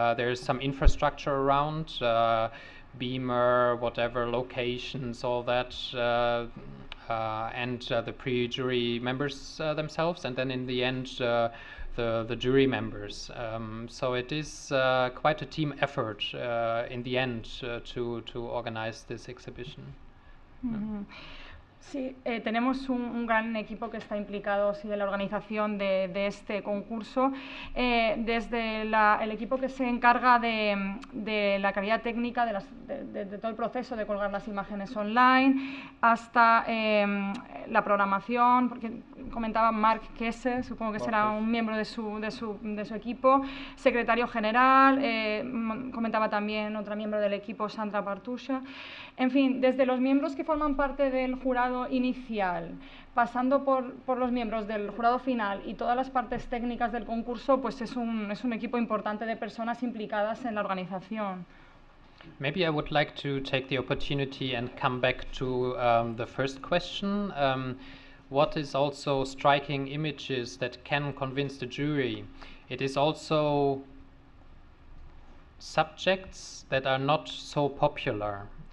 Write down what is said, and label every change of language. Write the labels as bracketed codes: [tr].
[en] There's some infrastructure around, Beamer, whatever, locations, all that. And the pre-jury members themselves, and then in the end, the jury members. So it is quite a team effort in the end to organize this exhibition. Mm-hmm. [es] Sí, tenemos un gran equipo que está implicado sí, en la organización de este concurso. Desde el equipo que se encarga de la calidad técnica, de todo el proceso de colgar las imágenes online, hasta la programación, porque comentaba Mark Kesse, supongo que será un miembro de su equipo, secretario general, comentaba también otra miembro del equipo, Sandra Partusha. En fin, desde los miembros que forman parte del jurado inicial, pasando por los miembros del jurado final y todas las partes técnicas del concurso, pues es un equipo importante de personas implicadas en la organización. [en] Maybe I would like to take the opportunity and come back to the first question. What is also striking images that can convince the jury? It is also subjects that are not so popular.